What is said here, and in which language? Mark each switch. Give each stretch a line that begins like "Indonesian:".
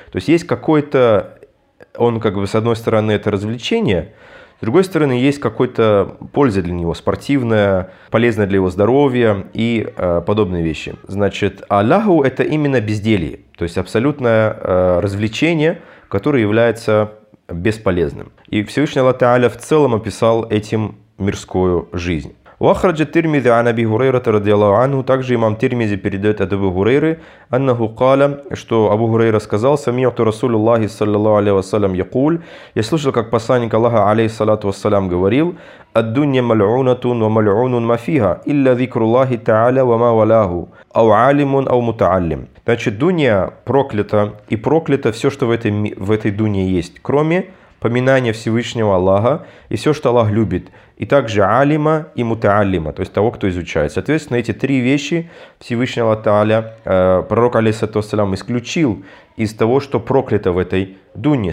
Russian: То есть, есть какой-то, он как бы, с одной стороны, это развлечение, с другой стороны, есть какой-то польза для него, спортивная, полезная для его здоровья и подобные вещи. Значит, а лагу – это именно безделье, то есть абсолютное развлечение, которое является бесполезным. И Всевышний Аллах Та'аля в целом описал этим мирскую жизнь.
Arabic: وأخرج الترمذي عن أبي هريرة رضي الله عنه.
Russian: Также имам Тирмизи передает от Абу Хурейры,
Arabic: أنه قال,
Russian: что Абу Хурейра сказал,
Arabic: سمعت رسول الله صلى الله عليه وسلم يقول,
Russian: я слышал, как посланник Аллаха
Arabic: عليه الصلاة والسلام
Russian: говорил,
Arabic: الدنيا ملعونة وملعون ما فيها إلا ذكر الله تعالى وما ولاه أو عالم أو متعلم.
Russian: Значит, дунья проклята, и проклято все, что в этой дунье есть, кроме поминание Всевышнего Аллаха и все, что Аллах любит. И также алима и мутааллима, то есть того, кто изучает. Соответственно, эти три вещи Всевышний Аллах Тааля, пророк алейхиссалату вассалям, исключил из того, что проклято в этой дунье.